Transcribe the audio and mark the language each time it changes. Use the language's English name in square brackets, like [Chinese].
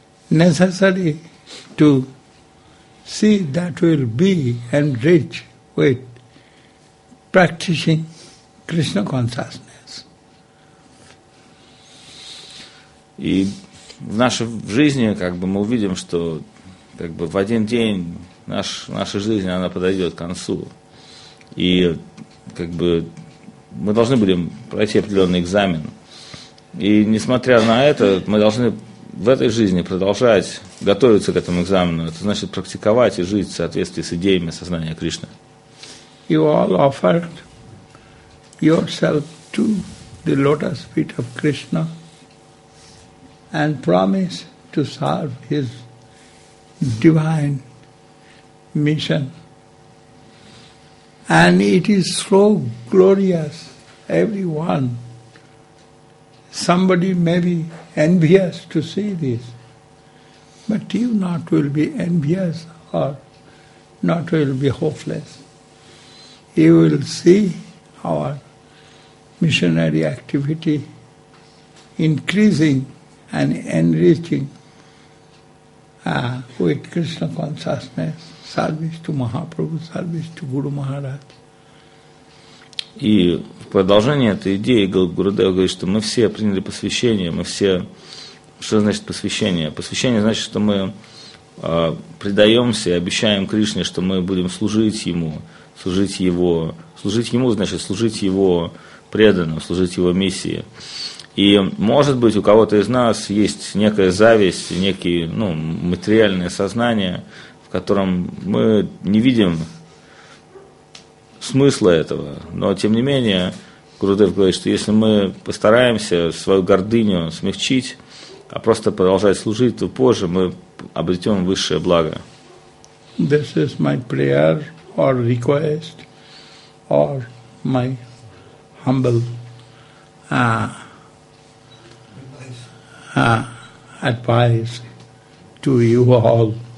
[English] Necessary to see that will be enriched with practicing Krishna consciousness. [Russian] И в нашей жизни как бы мы увидим, что как бы в один день наша жизнь она подойдет к концу. И как бы мы должны будем пройти определенный экзамен. И несмотря на это, мы должны в этой жизни продолжать готовиться к этому экзамену. Это значит практиковать и жить в соответствии с идеями сознания Кришны. [English] You all offered yourself to the lotus feet of Krishna and promise to serve his divine mission. And it is so glorious, everyone. Somebody may be envious to see this, but you not will be envious or not will be hopeless. You will see our missionary activity increasing and enriching with Krishna consciousness, service to Mahaprabhu, service to Guru Maharaj. [Russian] И в продолжение этой идеи Гурудев говорит, что мы все приняли посвящение, мы все... Что значит посвящение? Посвящение значит, что мы предаемся и обещаем Кришне, что мы будем служить Ему, служить Его. Служить Ему значит служить Его преданным, служить Его миссии. И, может быть, у кого-то из нас есть некая зависть, некое материальное сознание, в котором мы не видим смысла этого. Но, тем не менее, Гурудев говорит, что если мы постараемся свою гордыню смягчить, а просто продолжать служить, то позже мы обретем высшее благо. [English] This is my prayer or request or my humble advice to you all.